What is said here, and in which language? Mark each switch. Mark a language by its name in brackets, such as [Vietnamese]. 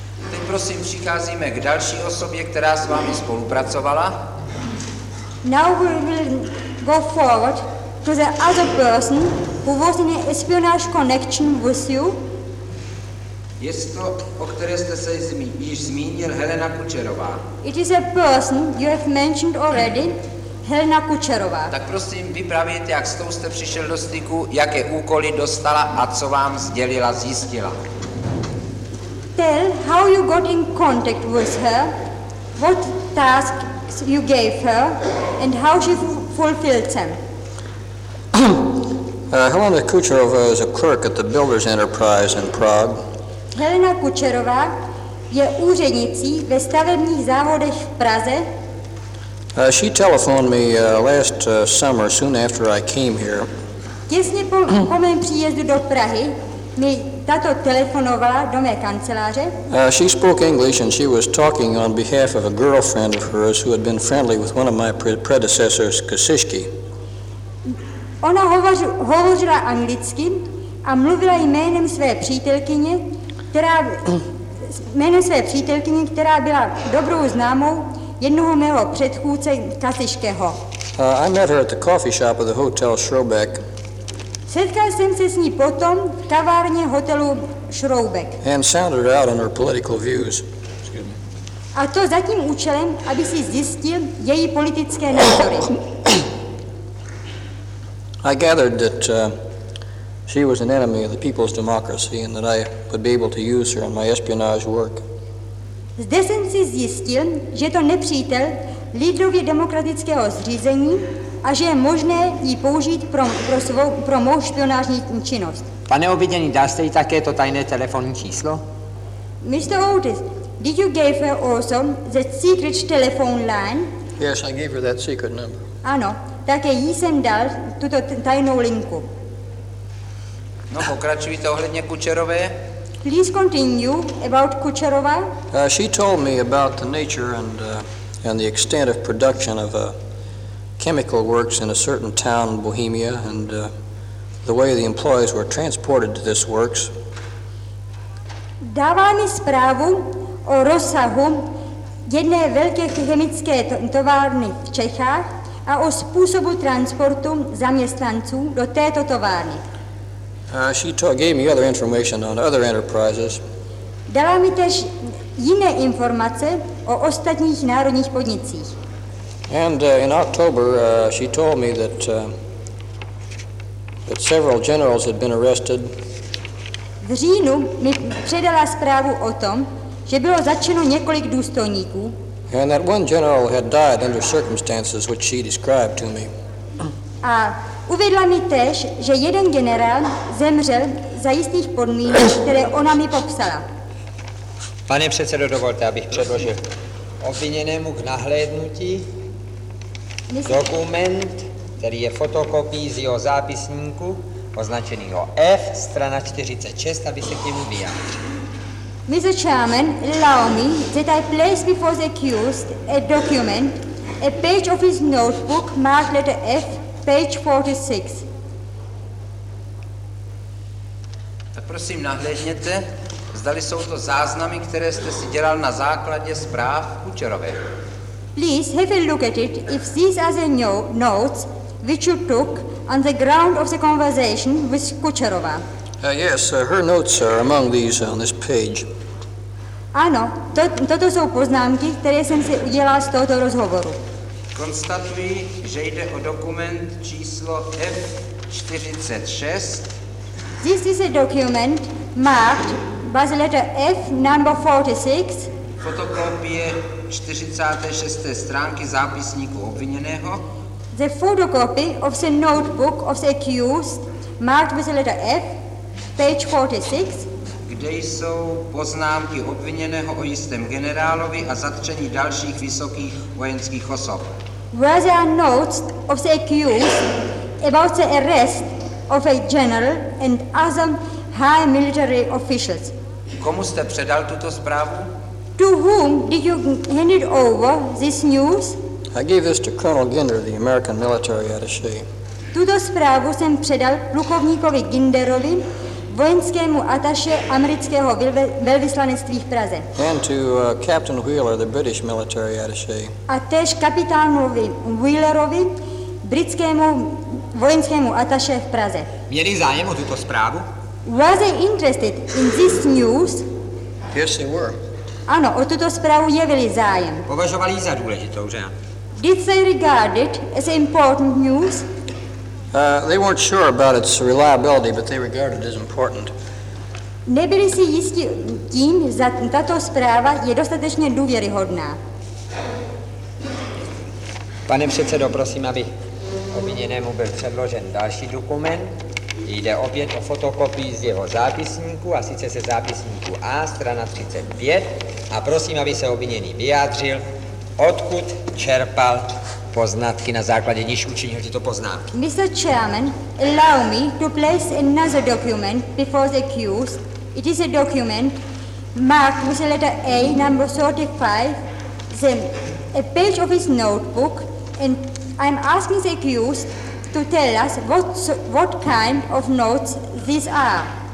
[Czech] Teď prosím přicházíme k další osobě, která s vámi spolupracovala. [English] Now we will go forward to the other person who was in an espionage connection with you. [Czech] Je to, o které jste se již zmínil, Helena Kučerová. [English] It is a person you have mentioned already, Helena Kučerová. [Czech] Tak prosím, vyprávějte, jak s tou jste přišel do styku, jaké úkoly dostala a co vám sdělila, zjistila. [English] Tell how you got in contact with her, what tasks you gave her and how she fulfilled them. Helena Kučerová is a clerk at the Builders Enterprise in Prague. [Czech] Helena Kučerová je úřednicí ve stavebních závodech v Praze. [English] She telephoned me last summer, soon after I came here. [Czech] Těsně po mém příjezdu do Prahy mi tato telefonovala do mé kanceláře. [English] She spoke English and she was talking on behalf of a girlfriend of hers who had been friendly with one of my predecessors, Kosicki. [Czech] Ona hovořila anglicky a mluvila jménem své přítelkyně, která byla dobrou známou jednoho mého předchůdce Kasiškého. [English] I met her at the coffee shop of the hotel Schroebeck. [Czech] Setkal jsem se s ní potom v kavárně hotelu Schroebeck. [English] And sounded out on her political views. [Czech] A to za tím účelem, aby si zjistil její politické názory. [English] I gathered that she was an enemy of the people's democracy and that I would be able to use her in my espionage work. [Czech] Zde jsem si zjistil, že to nepřítel lidově demokratického zřízení a že je možné ji použít pro mou špionážní činnost. Pane obvinění, dal jste jí také to tajné telefonní číslo? [English] Mr. Otis, did you give her also the secret telephone line? Yes, I gave her that secret number. [Czech] Ano, také jí jsem dal tuto tajnou linku. No, pokračujte ohledně Kučerové. [English] Please continue about Kučerová. She told me about the nature and the extent of production of chemical works in a certain town in Bohemia and the way the employees were transported to this works. [Czech] Dává mi zprávu o rozsahu jedné velké chemické továrny v Čechách a o způsobu transportu zaměstnanců do této továrny. [English] Gave me other information on other enterprises. [Czech] Dala mi též jiné informace o ostatních národních podnicích. [English] And in October she told me that that several generals had been arrested. [Czech] V říjnu mi předala zprávu o tom, že bylo zatčeno několik důstojníků. [English] And that one general had died under circumstances which she described to me. [Czech] A uvedla mi též, že jeden generál zemřel za jistých podmínek, které ona mi popsala. Pane předsedo, dovolte, abych předložil obviněnému k nahlédnutí dokument, který je fotokopií z jeho zápisníku, označenýho F, strana 46, aby se k němu vyjádřil. [English] Mr. Chairman, allow me that I place before the accused a document, a page of his notebook marked letter F, page 46. [Czech] Tak prosím, nahlédněte, zdali jsou to záznamy, které jste si dělal na základě zpráv Kučerové. [English] Please have a look at it if these are the notes which you took on the ground of the conversation with Kučerová. Her notes are among these on this page. [Czech] Ano, toto jsou poznámky, které jsem si udělal z tohoto rozhovoru. K Konstatuji, že jde o dokument číslo F46. [English] This is a document marked by the letter F number 46. [Czech] Fotokopie 46. stránky zápisníku obviněného. [English] The photocopy of the notebook of the accused marked with the letter F, page 46. [Czech] Kde jsou poznámky obviněného o jistém generálovi a zatčení dalších vysokých vojenských osob? [English] Where there are notes of the accused about the arrest of a general and other high military officials? [Czech] Komu jste předal tuto zprávu? [English] To whom did you hand it over this news? I gave this to Colonel Ginder, the American military attaché. [Czech] Tuto zprávu jsem předal plukovníkovi Ginderovi, vojenskému ataše amerického velvyslanectví v Praze. [English] And to Captain Wheeler, the British military attaché. [Czech] A též kapitánovi Wheelerovi, britskému vojenskému ataše v Praze. Měli zájem o tuto zprávu? [English] Were they interested in this news? Yes, they were. [Czech] Ano, o tuto zprávu jevili zájem. Považovali ji za důležitou, že? [English] Did they regard it as important news? They weren't sure about its reliability, but they regarded it as important. [Czech] Nebyli si jistí tím, že tato zpráva je dostatečně důvěryhodná. Pane předsedo, prosím, aby obviněnému byl předložen další dokument. Jde opět o fotokopii z jeho zápisníku, a sice ze zápisníku A, strana 35. A prosím, aby se obviněný vyjádřil, odkud čerpal poznatky, na základě níž učinil tyto poznámky. [English] Mr. Chairman, allow me to place another document before the accused. It is a document marked with the letter A, number 35, a page of his notebook, and I'm asking the accused to tell us what kind of notes these are.